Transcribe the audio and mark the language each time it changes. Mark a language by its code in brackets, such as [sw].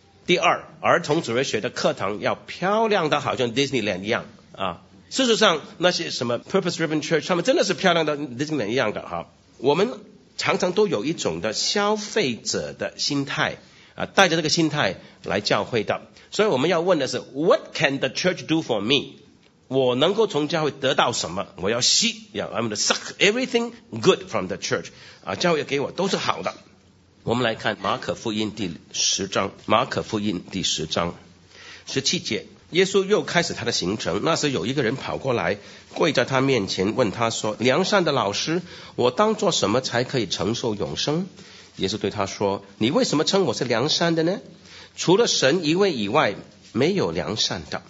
[zh] 第二，儿童主日学的课堂要漂亮的好像 Disneyland 一样啊。事实上那些什么 Purpose Driven Church 他们真的是漂亮的 Disneyland 一样的哈。我们常常都有一种的消费者的心态啊，带着这个心态来教会的。所以我们要问的是 [en] What can the church do for me? [zh] 我能够从教会得到什么？我要吸 [en] I'm going to suck everything good from the church 啊， [zh] 教会给我都是好的。我们来看马可福音第十章，马可福音第十章十七节，耶稣又开始他的行程。那时有一个人跑过来，跪在他面前问他说，良善的老师，我当做什么才可以承受永生？耶稣对他说，你为什么称我是良善的呢？除了神一位以外，没有良善的。